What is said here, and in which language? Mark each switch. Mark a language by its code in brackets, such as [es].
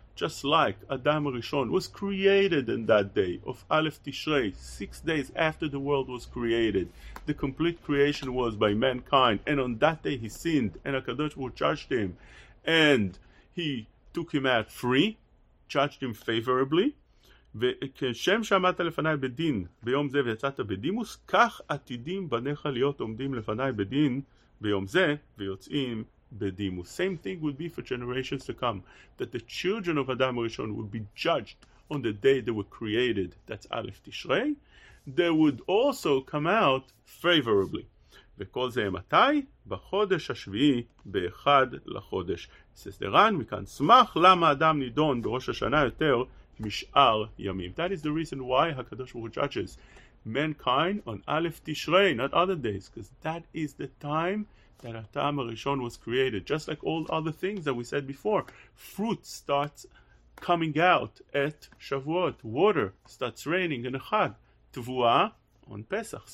[en] Just like Adam Rishon was created in that day of Aleph Tishrei, 6 days after the world was created, the complete creation was by mankind, and on that day he sinned, and HaKadosh Baruch Hu judged him, and he took him out free, judged him favorably. [he] וכשם שעמדת לפניי בדין ביום זה ויצאת בדימוס, כך עתידים בניך להיות עומדים לפניי בדין ביום זה ויוצאים בדימוס. [en] Same thing would be for generations to come, that the children of Adam Rishon would be judged on the day they were created, that's Aleph Tishrei, they would also come out favorably. [he] וכל זה מתי? בחודש השביעי, באחד לחודש. [en] Says the Ran, [he] מכאן סמך למה אדם נידון בראש השנה יותר, Mishar Yamim. [en] That is the reason why HaKadosh Baruch Hu judges mankind on Aleph Tishrei, not other days, because that is the time that HaTam HaRishon was created. Just like all other things that we said before, fruit starts coming out at Shavuot, water starts raining in Chag, Tevuah on Pesach.